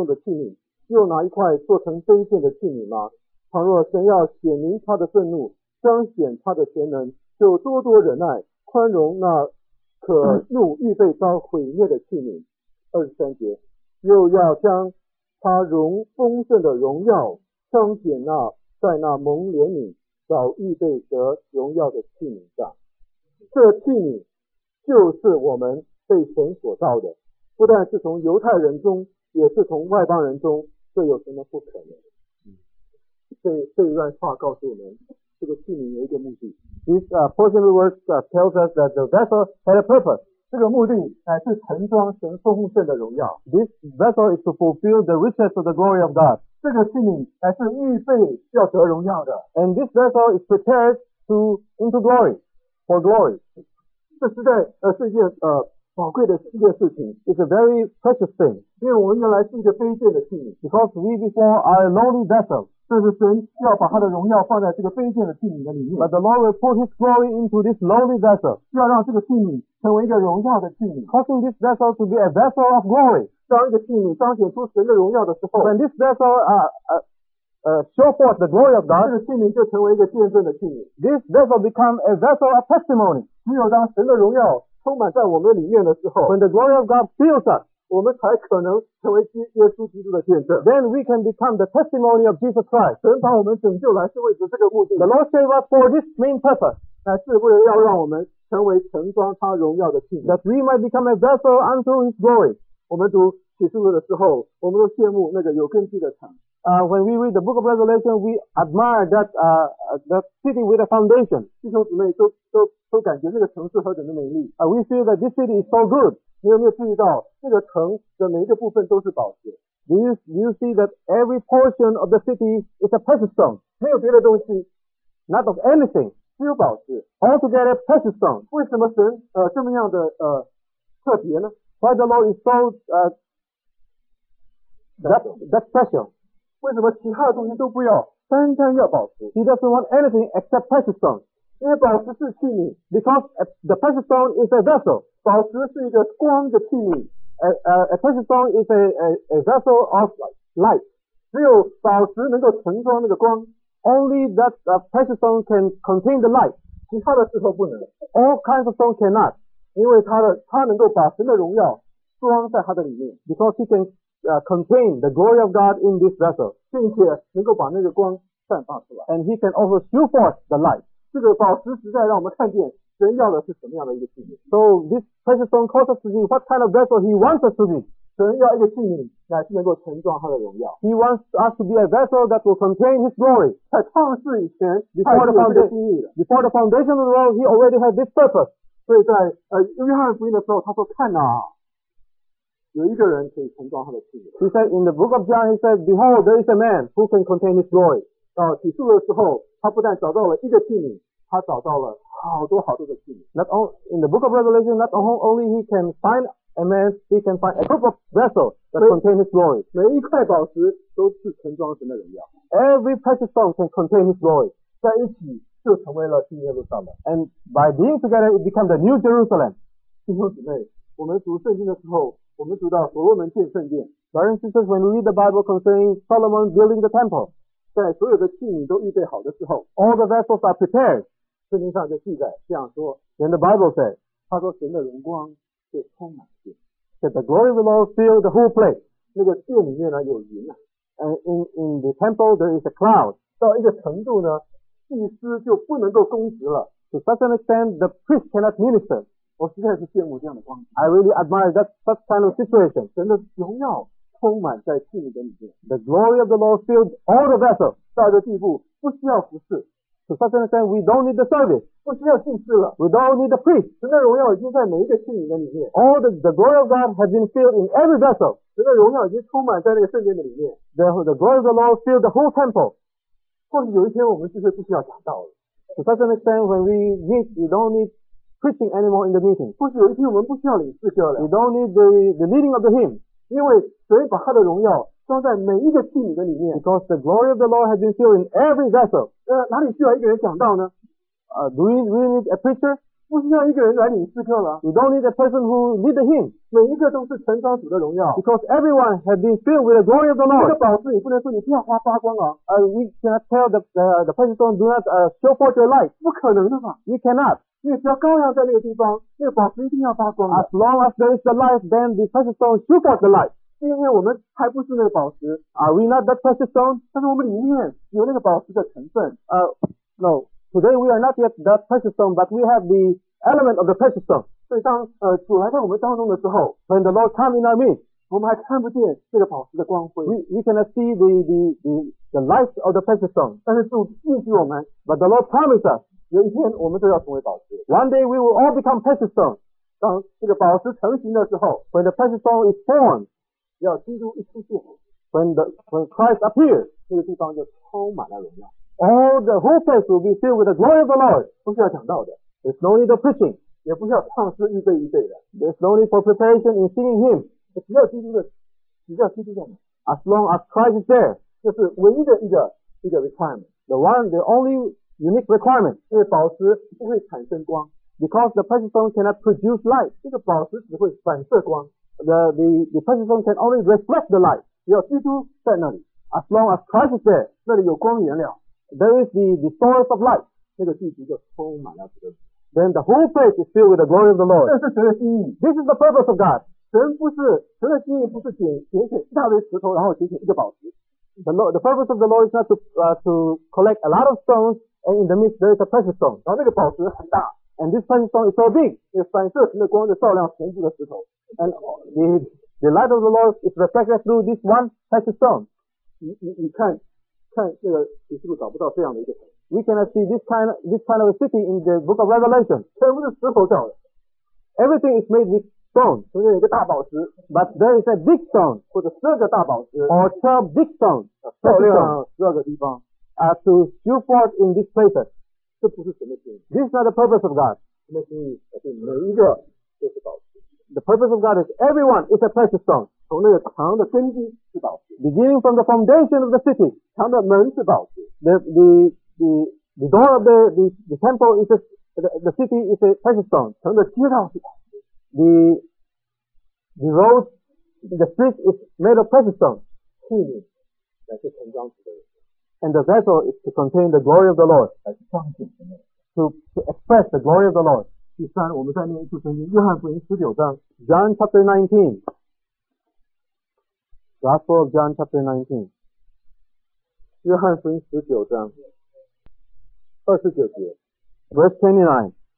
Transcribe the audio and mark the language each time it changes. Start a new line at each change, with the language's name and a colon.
Chinese: 窑匠难道没有权柄，从一团泥里拿一块做成贵重的器皿，又拿一块做成卑贱的器皿吗？倘若神要显明他的愤怒，彰显他的全能，就多多忍耐，宽容那可怒预备遭毁灭的器皿。23节，又要将 他容丰盛的荣耀彰显那在那蒙怜悯早预备得荣耀的器皿上，这器皿就是我们被神所造的，不但是从犹太人中，也是从外邦人中，这有什么不可能？这一段话告诉我们，这个器皿有一个目的。
English: This portion of the words tells us that the vessel had a purpose.
Chinese: 这个目的乃是盛装神丰盛的荣耀。
English: This vessel is to fulfill the riches of the glory of God.
Chinese: 这个器皿乃是预备要得荣耀的。
English: And this vessel is prepared to into glory, for glory.
Chinese: 这是一件宝贵的事情。
English: It's a very precious thing.
Chinese: 因为我们原来是一个卑贱的器皿。
English: Because we before are a lowly vessel.
Chinese: 但是神要把他的荣耀放在这个卑贱的器皿的里面。
English: But the Lord will put his glory into this lowly vessel.
Chinese: 要让这个器皿 成为一个荣耀的器皿,
English: causing this vessel to be a vessel of glory.
Chinese: 当一个器皿彰显出神的荣耀的时候,
English: when this vessel show forth the glory of God,
Chinese: 这个器皿就成为一个见证的器皿.
English: This vessel become a vessel of testimony.
Chinese: 只有当神的荣耀充满在我们里面的时候,
English: when the glory of God fills us,
Chinese: 我们才可能成为耶稣基督的见证.
English: Then we can become the testimony of Jesus Christ.
Chinese: 神把我们拯救来是为着这个目的.
English: The Lord saved us for this main purpose.
Chinese: 乃是为了要让我们 成为盛装他荣耀的器皿,
English: that we might become a vessel unto his glory.
Chinese: 我们读启示录的时候，我们都羡慕那个有根基的城。
English: When we read the book of Revelation, we admire that the city with a foundation.
Chinese: 弟兄姊妹都感觉这个城市何等的美丽。
English: We feel that this city is so good.
Chinese: 你有没有注意到这个城的每一个部分都是宝石？
English: Do you see that every portion of the city is a precious stone?
Chinese: 没有别的东西,
English: not of anything.
Chinese: 只有宝石,
English: altogether precious stone.
Chinese: 为什么神, 这么样的, 特别呢?
English: Why the Lord is so, that special?
Chinese: 为什么其他的东西都不要，单单要宝石？
English: He doesn't want anything except precious stone.
Chinese: 因为宝石是器皿。
English: Because the precious stone is a vessel.
Chinese: 宝石是一个光的器皿。
English: A precious stone is a vessel of light.
Chinese: 只有宝石能够盛装那个光。
English: Only that a precious stone can contain the light.
Chinese: 其他的石头不能。
English: All kinds of stone cannot.
Chinese: 因为它能够把神的荣耀装在它的里面。
English: Because he can contain the glory of God in this vessel.
Chinese: 并且能够把那个光散发出来。
English: And he can also show forth the light.
Chinese: 这个宝石实在让我们看见神要的是什么样的一个器皿。
English: So this precious stone calls us to see what kind of vessel he wants us to be.
Chinese: 神要一个器皿，乃是能够盛装他的荣耀。
English: He wants us to be a vessel that will contain His glory.
Chinese: 在创世以前
English: ，Before the foundation of the world, He already had this purpose.
Chinese: 所以在约翰福音的时候，他说：“看哪，有一个人可以盛装他的器皿。”
English: He said in the book of John, He said, "Behold, there is a man who can contain His glory."
Chinese: 到启示录的时候，他不但找到了一个器皿，他找到了好多好多的器皿。
English: Not only in the book of Revelation, not only he can find. A man, he can find a group of vessels that contain his glory.
Chinese: 每一块宝石都是盛装神的荣耀。
English: Every precious stone can contain his glory.
Chinese: 在一起就成为了新耶路撒冷。
English: And by being together, it becomes the new Jerusalem.
Chinese: 弟兄姊妹，我们读圣经的时候，我们读到所罗门建圣殿。
English: Brothers and sisters, when we read the Bible concerning Solomon building the temple,
Chinese: 在所有的器皿都预备好的时候
English: ，all the vessels are prepared.
Chinese: 圣经上就记载这样说。
English: Then the Bible said,
Chinese: 他说神的荣光。就充满殿
English: ，that the glory of the Lord fill the whole place。
Chinese: 那个殿里面呢有云啊
English: ，and in the temple there is a cloud。
Chinese: 到一个程度呢，祭司就不能够供职了。
English: To such an extent, the priest cannot minister。
Chinese: 我实在是羡慕这样的光景。
English: I really admire that such kind of situation。
Chinese: 神的荣耀充满在器皿的里面。
English: The glory of the Lord filled all the vessels。
Chinese: 到一个地步，不需要服侍。
English: To such an extent, we don't need the service.
Chinese: 不需要祭司了。
English: We don't need the priest.
Chinese: 神的荣耀已经在每一个器皿的里面。
English: All the glory of God has been filled in every vessel.
Chinese: 神的荣耀已经充满在那个圣殿的里面。
English: The glory of the Lord filled the whole temple.
Chinese: 或许有一天我们就是不需要讲道了。
English: To such an extent, when we meet, we don't need preaching anymore in the meeting.
Chinese: 或许有一天我们不需要领诗歌了。
English: We don't need the leading of the hymn.
Chinese: 因为神把他的荣耀装在每一个器皿的里面。
English: Because the glory of the Lord has been filled in every vessel.
Chinese: 哪里需要一个人讲道呢？
English: Do we really need a preacher?
Chinese: 不需要一个人来领诗歌了。
English: We don't need a person who lead the hymn.
Chinese: 每一个都是盛装主的荣耀。
English: Because everyone has been filled with the glory of the Lord.
Chinese: 这个宝石你不能说你不要发发光啊。
English: We cannot tell the precious stone do not show forth your light.
Chinese: 不可能的嘛。
English: We cannot.
Chinese: 因为只要羔羊在那个地方，那个宝石一定要发光的。
English: As long as there is the light, then the precious stone should forth the light.
Chinese: 因为我们还不是那个宝石
English: ，Are we not that precious stone？
Chinese: 但是我们里面有那个宝石的成分。
English: No. Today we are not yet that precious stone, but we have the element of the precious stone.
Chinese: 所以当主来到我们当中的时候
English: ，When the Lord comes in our midst，
Chinese: 我们还看不见这个宝石的光辉。
English: We cannot see the light of the precious stone.
Chinese: 但是主应许我们
English: ，But the Lord promises us，
Chinese: 有一天我们都要成为宝石。
English: One day we will all become precious stone.
Chinese: 当这个宝石成型的时候
English: ，When the precious stone is formed。
Chinese: 要基督一出现
English: ，when Christ appears，
Chinese: 那个地方就充满了荣耀。
English: All the whole place will be filled with the glory of the Lord，
Chinese: 不需要讲道的
English: ，there's no need of preaching，
Chinese: 也不需要唱诗预备预备的
English: ，there's no need for preparation in singing hymns，
Chinese: 只要基督在那
English: ，as long as Christ is there，
Chinese: 就是唯一的一个
English: requirement，the one the only unique requirement，
Chinese: 因为宝石不会产生光
English: ，because the precious stone cannot produce light，
Chinese: 这个宝石只会反射光。
English: The precious stone can only reflect the light.
Chinese: 只要基督在那里
English: ，as long as Christ is there,
Chinese: 那里有光源了
English: ，there is the source of light.
Chinese: 那个地级就充满了主的荣耀。
English: Then the whole place is filled with the glory of the Lord.
Chinese: 这是神的心意。
English: This is the purpose of God.
Chinese: 神的心意不是拣选一大堆石头，然后拣选一个宝石。
English: The purpose of the Lord is not to collect a lot of stones, and in the midst there is a precious stone.
Chinese: 然后那个宝石很大
English: ，and this precious stone is so big.
Chinese: 那反射神的光就照亮全部的石头。
English: And the light of the Lord is reflected through this one precious stone.
Chinese: 你看看这个，你是不是找不到这样的一个
English: ？We cannot see this kind of a city in the Book of Revelation.
Chinese: 全部是石头造的。
English: Everything is made with stone.
Chinese: 中间有一个大宝石
English: ，but there is a big stone.
Chinese: 或者十二个大宝石
English: ，or 12 big stones.
Chinese: 照亮十二个地方
English: To show forth in these places.
Chinese: 这不是什么心意。
English: This is not the purpose of God.
Chinese: 什么心意？是每一个都是宝石。
English: The purpose of God is everyone is a precious stone.
Chinese: 从那个城的根基是宝石。
English: Beginning from the foundation of the city,
Chinese: 城的门是宝石。
English: The door of the temple is the city is a precious stone.
Chinese: 城的街道是宝石。
English: The road, the street is made of precious stone.
Chinese: 器皿乃是盛装主的。
English: And the vessel is to contain the glory of the Lord.
Chinese: 乃是彰显神的。
English: To express the glory of the Lord.
Chinese: 第三，我们再念一处圣经，约翰福音十九章。
English: John chapter 19. Gospel of John chapter 19.
Chinese: 约翰福音十九章。二十九节。
English: Verse 29.